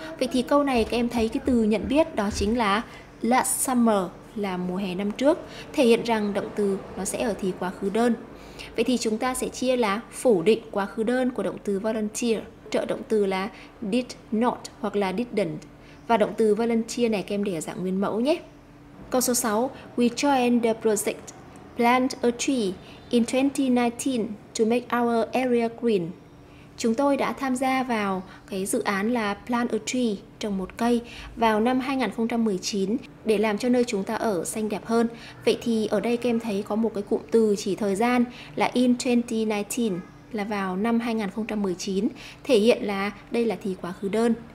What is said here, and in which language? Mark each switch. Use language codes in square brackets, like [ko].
[vi] Vậy thì câu này các em thấy cái từ nhận biết đó chính là [en] last summer, [vi] là mùa hè năm trước, thể hiện rằng động từ nó sẽ ở thì quá khứ đơn. Vậy thì chúng ta sẽ chia là phủ định quá khứ đơn của động từ volunteer, trợ động từ là [en] did not [vi] hoặc là didn't. Và động từ volunteer này các em để ở dạng nguyên mẫu nhé. Câu số 6, [en] we joined the project plant a tree in 2019 to make our area green. [vi] Chúng tôi đã tham gia vào cái dự án là [en] plant a tree, [vi] trồng một cây, vào năm 2019 để làm cho nơi chúng ta ở xanh đẹp hơn. Vậy thì ở đây các em thấy có một cái cụm từ chỉ thời gian là [en] in 2019, [vi] là vào năm 2019, thể hiện là đây là thì quá khứ đơn.